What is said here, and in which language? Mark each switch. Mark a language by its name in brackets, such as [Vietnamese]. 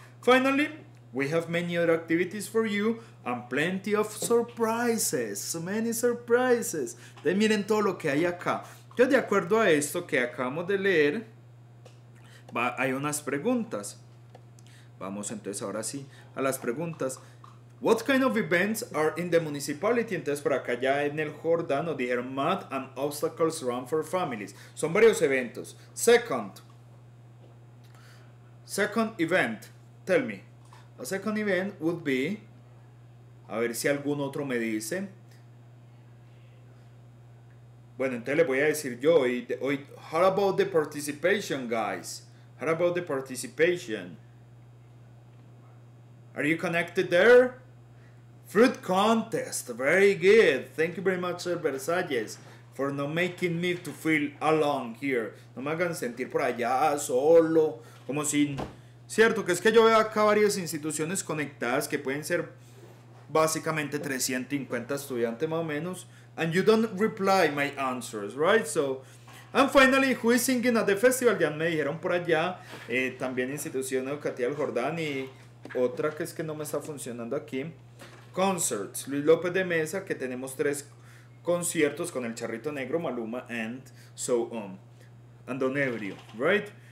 [English] Finally, we have many other activities for you and plenty of surprises. Many surprises. [Spanish] Entonces, miren todo lo que hay acá. Yo, de acuerdo a esto que acabamos de leer, hay unas preguntas. Vamos entonces ahora sí a las preguntas. [English] What kind of events are in the municipality? [Spanish] Entonces, por acá ya en el Jordán nos dijeron [English] mud and obstacles run for families. [Spanish] Son varios eventos. [English] Second event. Tell me. A second event would be... [Spanish] A ver si algún otro me dice. Bueno, entonces le voy a decir yo. Hoy, [English] how about the participation, guys? How about the participation? Are you connected there? Fruit contest, very good. Thank you very much, Sir Versalles, for not making me to feel alone here. [Spanish] No me hagan sentir por allá, solo, como sin... Cierto, que es que yo veo acá varias instituciones conectadas que pueden ser básicamente 350 estudiantes más o menos. [English] And you don't reply my answers, right? So, and finally, who is singing at the festival? [Spanish] Ya me dijeron por allá, también institución educativa del Jordán y otra que es que no me está funcionando aquí. Concerts, Luis López de Mesa, que tenemos tres conciertos con el Charrito Negro, Maluma, [English] and so on, [Spanish] and Don Ebrio, right?